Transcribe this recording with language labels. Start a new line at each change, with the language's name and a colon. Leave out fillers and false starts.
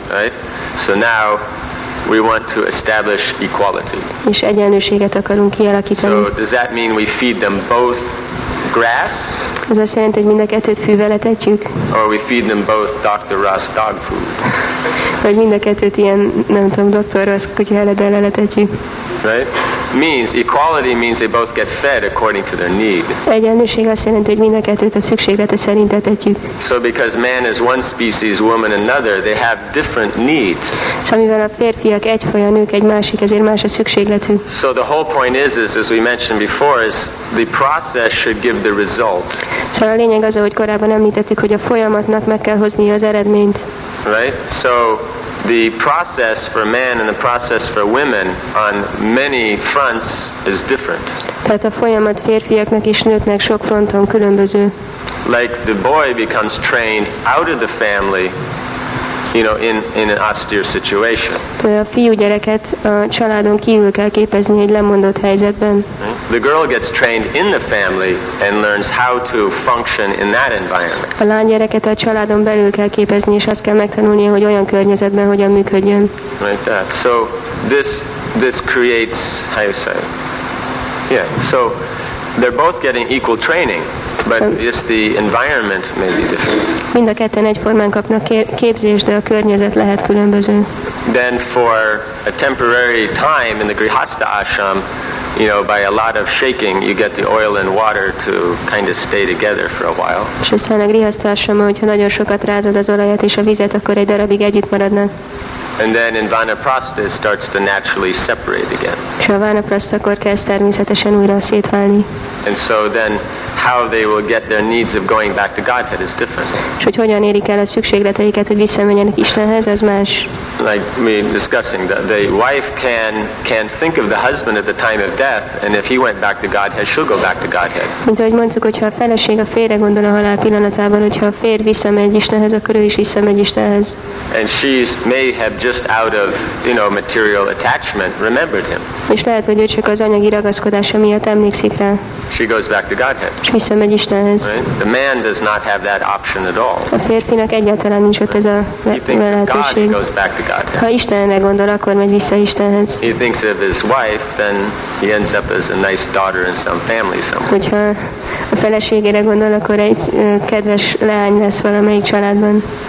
English: Right? So now we want to establish equality.
Hungarian: És egyenlőséget akarunk kialakítani.
English: So does that mean we feed them both grass.
Hungarian: Ez azt jelenti, hogy mind a kettőt fűvel etetjük.
English: Or we feed them both Dr. Russ dog food.
Hungarian: Vagy mind a kettőt ilyen, nem tudom, Dr. Russ kutya heledellel etetjük.
English: Right? Means equality means they both get fed according to their need.
Hungarian: Egyenlőség azt jelenti, hogy mind a kettőt a szükséglete szerint etetjük.
English: So because man is one species, woman another, they have different needs.
Hungarian: So mivel a férfiak egyfaj, a nők egy másik, ezért más a szükségletük.
English: So the whole point is as we mentioned before, is the process should give the result.
Hungarian: So a lényeg az, ahogy korábban említettük, hogy a folyamatnak meg kell hoznia az eredményt.
English: Right? So the process for men and the process for women on many fronts is different.
Hungarian: Tehát a folyamat férfiaknak és nőknek sok fronton különböző.
English: Like the boy becomes trained out of the family, you know, in an austere situation.
Hungarian: A fiúgyereket a családon kívül kell képezni egy lemondott helyzetben.
English: The girl gets trained in the family and learns how to function in that environment.
Hungarian: A lánygyereket a családon belül kell képezni, és azt kell megtanulnia, hogy olyan környezetben hogyan működjön.
English: Like that. So this creates, how you say it? Yeah. So they're both getting equal training. But just the environment may be different.
Hungarian: Mind a ketten egyformán kapnak képzést, de a környezet lehet különböző.
English: Then for a temporary time in the Grihastha ashram, you know, by a lot of shaking, you get the oil and water to kind of stay together for a while.
Hungarian: És aztán a Grihastha ashrama, hogyha nagyon sokat rázod az olajat és a vizet, akkor egy darabig együtt maradnak.
English: And then in Vanaprastha starts to naturally separate again.
Hungarian: És a Vanaprasthakor kezd természetesen újra szétválni.
English: And so then how they will get their needs of going back to Godhead is different.
Hungarian: És hogy hogyan érik el a szükségleteiket, hogy visszamenjenek Istenhez, az más.
English: Like we discussing that the wife can think of the husband at the time of death, and if he went back to Godhead, she'll go back to Godhead.
Hungarian: Mint ahogy mondtuk, hogyha a feleség a férre gondol a halál pillanatában, hogyha a fér visszamegy Istenhez, akkor ő is visszamegy Istenhez.
English: And she may have just out of, you know, material attachment remembered him.
Hungarian: És lehet, hogy ő csak az anyagi ragaszkodása miatt emlékszik rá.
English: She goes back to Godhead.
Hungarian: És visszamegy Istenhez.
English: Right? The man does not have that option at all.
Hungarian: A férfinak egyáltalán nincs ott ez a lehetőség. Ha Istenre gondol, akkor megy vissza Istenhez.
English: He thinks of his wife, then he ends up as a nice daughter in some family somewhere.
Hungarian: Hogyha a feleségére gondol, akkor egy kedves leány lesz valamelyik családban.